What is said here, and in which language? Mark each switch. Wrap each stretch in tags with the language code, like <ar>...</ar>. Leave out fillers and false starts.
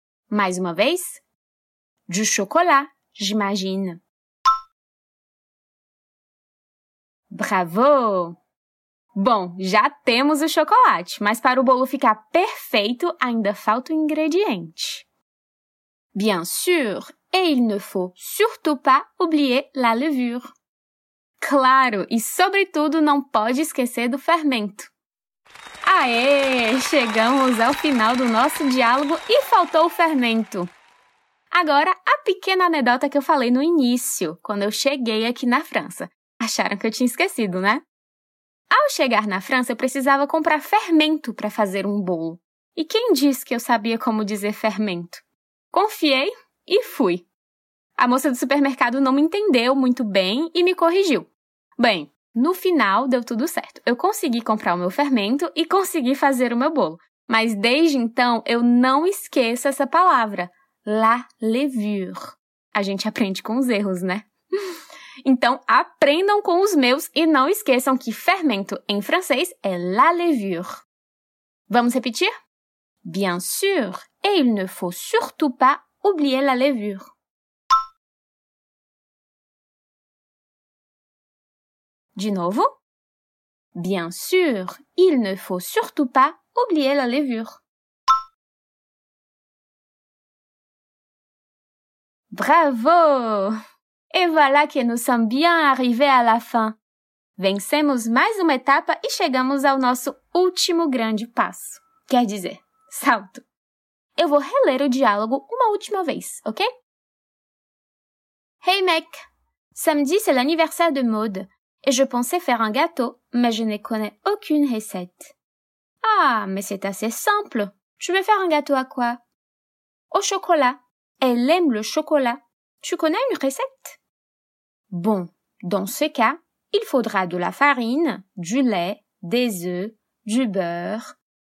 <pt>Mais uma vez.</pt> <fr>Du chocolat, j'imagine. Bravo!</fr> <pt>Bom, já temos o chocolate, mas para o bolo ficar perfeito, ainda falta o ingrediente.</pt> <fr>Bien sûr, et il ne faut surtout pas oublier la levure.</fr> <pt>Claro, e sobretudo não pode esquecer do fermento. Aê, chegamos ao final do nosso diálogo e faltou o fermento. Agora, a pequena anedota que eu falei no início, quando eu cheguei aqui na França. Acharam que eu tinha esquecido, né? Ao chegar na França, eu precisava comprar fermento para fazer um bolo. E quem disse que eu sabia como dizer fermento? Confiei e fui. A moça do supermercado não me entendeu muito bem e me corrigiu. Bem, no final deu tudo certo. Eu consegui comprar o meu fermento e consegui fazer o meu bolo. Mas desde então eu não esqueço essa palavra. La levure. A gente aprende com os erros, né? Então aprendam com os meus e não esqueçam que fermento em francês é la levure. Vamos repetir?</pt> <fr>Bien sûr, et il ne faut surtout pas oublier la levure.</fr> <pt>De novo.</pt> <fr>Bien sûr, il ne faut surtout pas oublier la levure. Bravo! Et voilà que nous sommes bien arrivés à la fin.</fr> <pt>Vencemos mais uma etapa e chegamos ao nosso último grande passo. Quer dizer, salto. Eu vou reler o diálogo uma última vez, ok?</pt> <fr>Hey mec, samedi c'est l'anniversaire de Maud et je pensais faire un gâteau, mais je ne connais aucune recette. Ah, mais c'est assez simple. Tu veux faire un gâteau à quoi? Au chocolat. Elle aime le chocolat. Tu connais une recette? Bon, dans ce cas, il faudra de la farine, du lait, des œufs, du beurre.</fr>